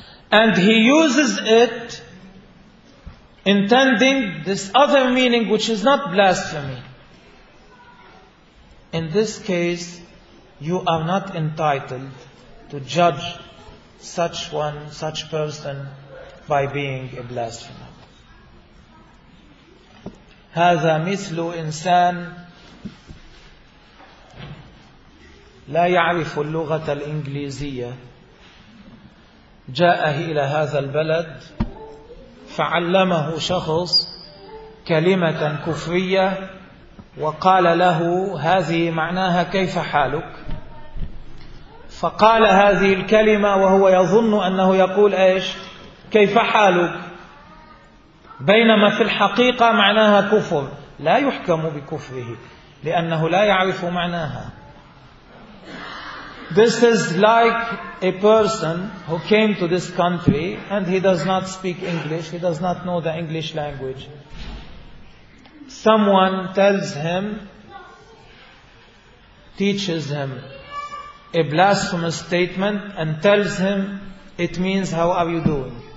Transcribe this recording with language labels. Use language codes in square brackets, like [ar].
[en] And he uses it intending this other meaning which is not blasphemy. In this case, you are not entitled to judge such one, such person, by being a blasphemer. [ar] هذا مثل إنسان لا يعرف اللغة الإنجليزية، جاءه إلى هذا البلد فعلمه شخص كلمة كفرية وقال له هذه معناها كيف حالك، فقال هذه الكلمة وهو يظن أنه يقول إيش؟ كيف حالك؟ بينما في الحقيقة معناها كفر، لا يحكم بكفره لأنه لا يعرف معناها. [en] This is like a person who came to this country and he does not speak English, he does not know the English language. Someone tells him, teaches him a blasphemous statement and tells him, it means, how are you doing?